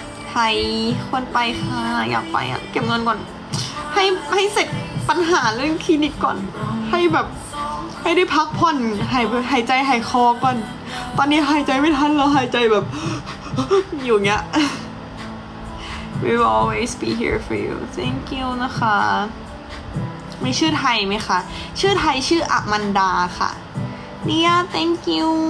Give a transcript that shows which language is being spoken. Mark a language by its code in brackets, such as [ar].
[th] ใครควรไปค่ะอยากไปอ่ะเก็บเงินก่อนให้เสร็จปัญหาเรื่องคลินิกก่อน ให้แบบให้ได้พักผ่อนหายใจหายคอก่อนตอนนี้หายใจไม่ทันแล้วหายใจแบบอยู่เงี้ย [en] We will always be here for you Thank you นะคะ [th] มีชื่อไทยไหมคะชื่อไทยชื่ออามันดาค่ะ [en] เนี่ย Thank you